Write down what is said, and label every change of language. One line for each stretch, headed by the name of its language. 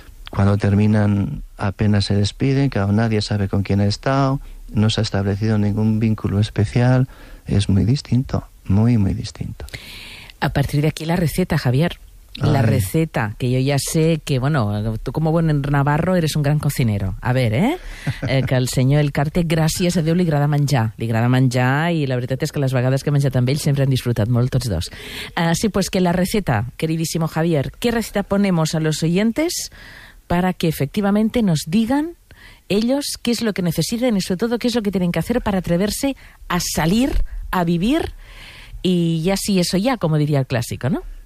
Spanish: Cuando terminan, apenas se despiden, que aún nadie sabe con quién ha estado, no se ha establecido ningún vínculo especial. Es muy distinto, muy, muy distinto. A partir de aquí, la receta, Javier. Ay. La receta, que yo ya sé que, bueno, tú como buen navarro eres un gran cocinero.
Catalan: A ver, que el senyor Elkarte, gràcies a Déu, li agrada menjar. Li agrada menjar i la veritat és que les vegades que he menjat amb ell sempre han disfrutat molt tots dos.
Spanish: Sí, pues que la receta, queridísimo Javier, ¿qué receta ponemos a los oyentes para que efectivamente nos digan ellos qué es lo que necesitan y sobre todo qué es lo que tienen que hacer para atreverse a salir, a vivir y ya sí, eso ya, como diría el clásico, ¿no?